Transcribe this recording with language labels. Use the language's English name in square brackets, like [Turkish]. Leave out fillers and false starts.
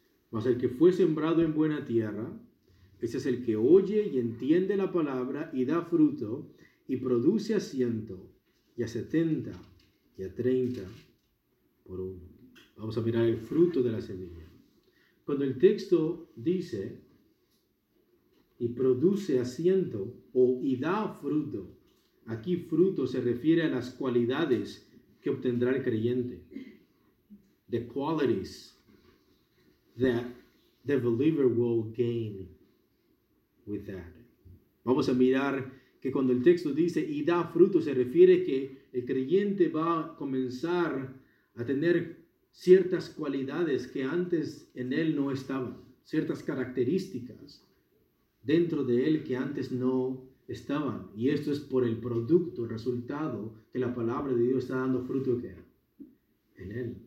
[Spanish] Mas el que fue sembrado en buena tierra, ese es el que oye y entiende la palabra y da fruto, y produce a 100, y a 70, y a 30 por uno. Vamos a mirar el fruto de la semilla. Cuando el texto dice, y produce a 100, y da fruto, aquí fruto se refiere a las cualidades que obtendrá el creyente. [English] The qualities that the believer will gain with that. [Spanish] Vamos a mirar que cuando el texto dice y da fruto, se refiere que el creyente va a comenzar a tener ciertas cualidades que antes en él no estaban. Ciertas características dentro de él que antes no estaban, y esto es por el producto, el resultado que la palabra de Dios está dando fruto que en él.